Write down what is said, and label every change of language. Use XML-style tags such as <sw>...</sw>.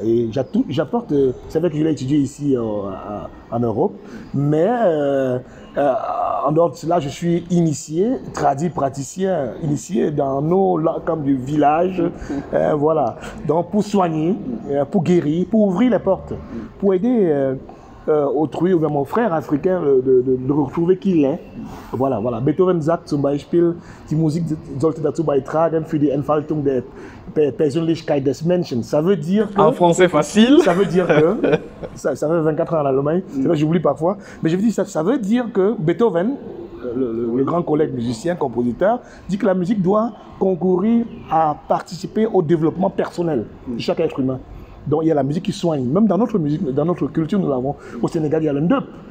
<fr>Et j'apporte, c'est vrai que je l'ai étudié ici en Europe, mais en dehors de cela, je suis initié, traduit praticien, initié dans nos camps du village. Voilà. Donc, pour soigner, pour guérir, pour ouvrir les portes, pour aider autrui ou bien mon frère africain de retrouver qui il est. Voilà, voilà.</fr> <de>Beethoven sagt zum Beispiel, die Musik sollte dazu beitragen für die Entfaltung der Persönlichkeit des Menschen.</de> <fr>Ça veut dire que. En français facile. Ça veut dire que. Ça fait 24 ans en Allemagne, c'est vrai, j'oublie parfois. Mais je veux dire, ça veut dire que Beethoven, le grand collègue musicien, compositeur, dit que la musique doit concourir à participer au développement personnel de chaque être humain. Donc il y a la musique qui soigne. Même dans notre musique, dans notre culture, nous l'avons. Au Sénégal, il y a le ndop.</fr>